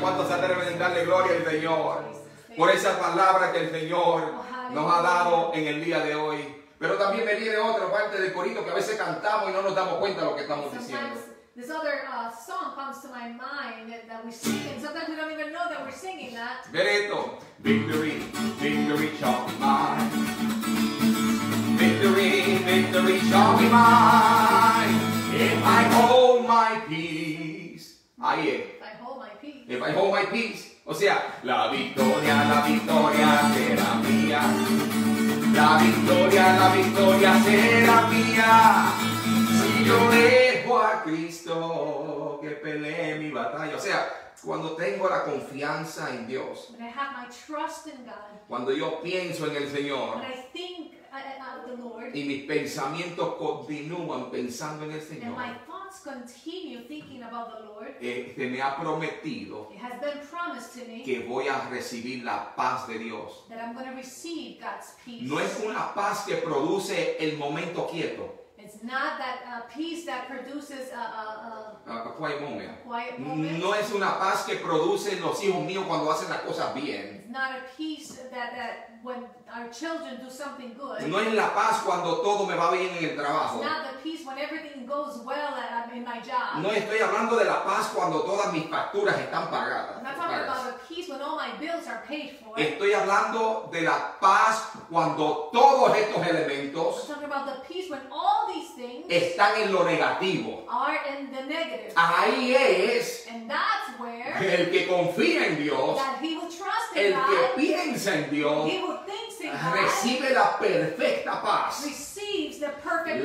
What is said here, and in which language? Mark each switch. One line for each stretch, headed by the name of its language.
Spanish: ¿Cuántos se atreven a darle gloria al Señor por esa palabra que el Señor nos ha dado en el día de hoy? Pero también venía de otra parte del corito que a veces cantamos y no nos damos cuenta de lo que estamos diciendo.
English: Sometimes this other song comes to my mind that we sing, and sometimes we don't even know that we're singing that.
Spanish: Ver esto.
English: Victory, victory shall be mine. Victory, victory shall be mine. If I hold my peace.
Spanish: Ahí es.
English: If I hold my peace.
Spanish: O sea, la victoria será mía. La victoria será mía. Si yo dejo a Cristo que pelee mi batalla. O sea, cuando tengo la confianza en Dios.
English: When I have my trust in God.
Spanish: Cuando yo pienso en el Señor.
English: When I think about the Lord.
Spanish: Y mis pensamientos continúan pensando en el Señor.
English: And my thoughts continue thinking about the Lord.
Spanish: Se me ha prometido.
English: It has been promised to me.
Spanish: Que voy a recibir la paz de Dios.
English: That I'm going to receive God's peace.
Spanish: No es una paz que produce el momento quieto.
English: It's not that peace that produces a quiet moment. A quiet moment.
Spanish: No es una paz que producen los hijos míos cuando hacen las cosas bien.
English: It's not a peace that when our children do something good.
Spanish: No es la paz cuando todo me va bien en el trabajo.
English: It's not the peace when everything goes well in my job.
Spanish: No estoy hablando de la paz cuando todas mis facturas están pagadas.
English: I'm not talking about the peace when all my bills are paid for.
Spanish: Estoy hablando de la paz cuando todos estos elementos.
English: I'm talking about the peace when all these things.
Spanish: Están en lo negativo.
English: Are in the negative.
Spanish: Ahí es.
English: And that's where.
Spanish: El que confía en Dios.
English: That he will trust in
Spanish: El que piensa en Dios. Recibe la perfecta paz.
English: Receives the perfect